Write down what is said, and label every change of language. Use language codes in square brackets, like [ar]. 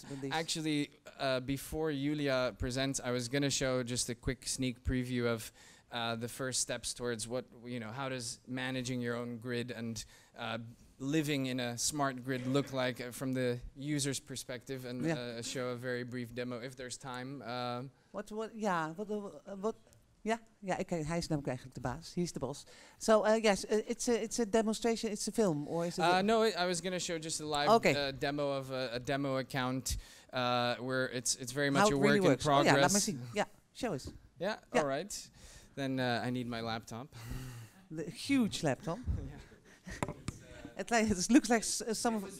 [en] Actually, before Julia presents, I was going to show just a quick sneak preview of the first steps towards what, how does managing your own grid and living in a smart grid look like from the user's perspective, and show a very brief demo if there's time. [nl] Okay, hij is namelijk eigenlijk de baas. [en] He's the boss. So it's a demonstration. It's a film, or is it? I was gonna show just a live demo of a demo account where it's very much how a work really in progress. Oh yeah, let me see. Yeah, show us. Yeah, yeah. All right. Then I need my laptop. The huge laptop. It looks like some of